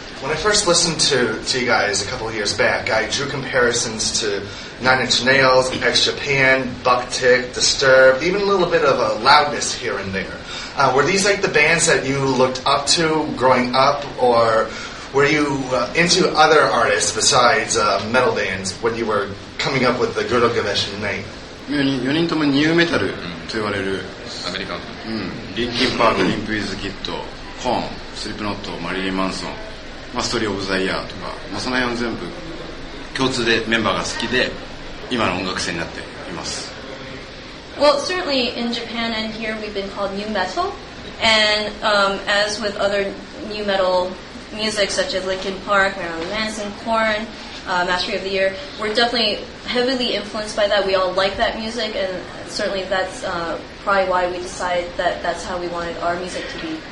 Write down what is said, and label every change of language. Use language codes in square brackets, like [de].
[en] When I first listened to you guys a couple of years back, I drew comparisons to Nine Inch Nails, X-Japan, Bucktick, Disturbed, even a little bit of a loudness here and there. Were these like the bands that you looked up to growing up, orWere you into other artists besides metal bands when you were coming up with the Gilgamesh name? [ja] 4人ともニューメタルと言われるアメリカン、リンキンパーク、リンプイズキッド、コーン、スリップノット、マリリン・マンソン、マストリー・オブ・ザ・イヤーとか、まあ、その辺は全部共通でメンバーが好きで今の音楽性になっています。 [en] Well, certainly in Japan and here we've been called new metal, and as with other new metalmusic such as Linkin Park, Marilyn Manson, Korn, Mastery of the Year. We're definitely heavily influenced by that. We all like that music, and certainly that's probably why we decided that that's how we wanted our music to be.